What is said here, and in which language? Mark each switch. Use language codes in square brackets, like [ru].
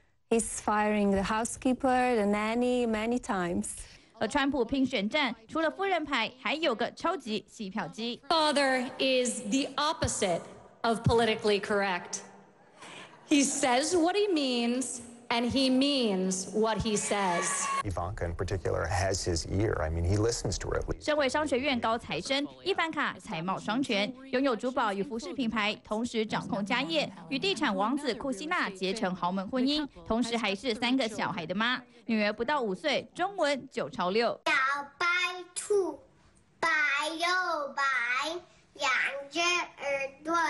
[en] He's firing the housekeeper, the nanny many times. [zh] 而川普拼选战，除了夫人牌，还有个超级洗票机。 [en] Father is the opposite of politically correct. He says what he means, and he means what he says. Ivanka in particular has his ear. I mean, he listens to her. [zh] 身为商学院高材生，伊凡卡才貌双全，拥有珠宝与服饰品牌，同时掌控家业，与地产王子库西纳结成豪门婚姻，同时还是3个小孩的妈。女儿不到5岁，中文9超6。小白兔，白又白，两只耳朵